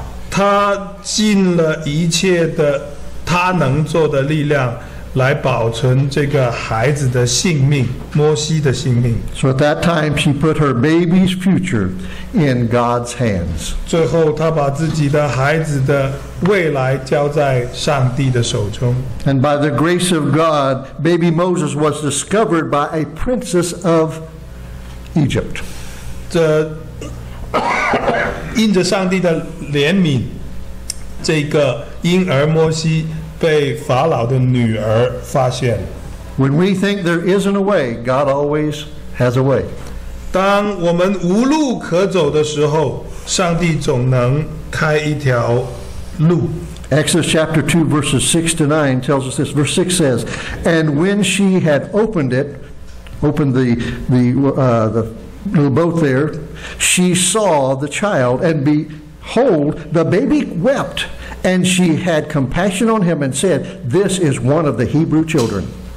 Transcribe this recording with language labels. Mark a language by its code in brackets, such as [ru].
[zh] 她尽了一切的她能做的力量来保存这个孩子的性命，摩西的性命。 [en] So at that time, she put her baby's future in God's hands. [zh] 最后，她把自己的孩子的未来交在上帝的手中。 [en] And by the grace of God, baby Moses was discovered by a princess of Egypt. [zh] 这因着上帝的怜悯，这个婴儿摩西被法老的女儿发现。 [en] When we think there isn't a way, God always has a way. [zh] 当我们无路可走的时候，上帝总能开一条路。 [en] Exodus chapter 2 verses 6 to 9 tells us this. Verse 6 says, And when she had opened it, opened the little boat there, she saw the child, and behold, the baby wept. And she had compassion on him and said, This is one of the Hebrew children.